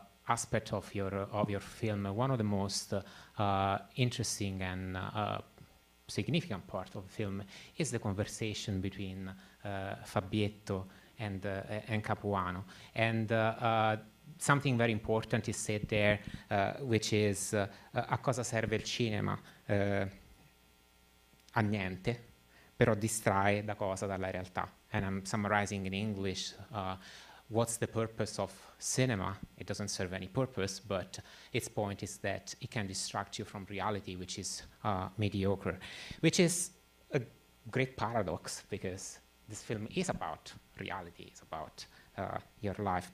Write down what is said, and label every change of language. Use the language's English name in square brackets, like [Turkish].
[English] aspect of your film, one of the most interesting and significant part of the film is the conversation between Fabietto and Capuano, and something very important is said there, which is [Italian] a cosa serve il cinema? A niente, però distrae da cosa, dalla realtà. [English] And I'm summarizing in English, what's the purpose of cinema? It doesn't serve any purpose, but its point is that it can distract you from reality, which is mediocre, which is a great paradox, because this film is about reality, is about your life.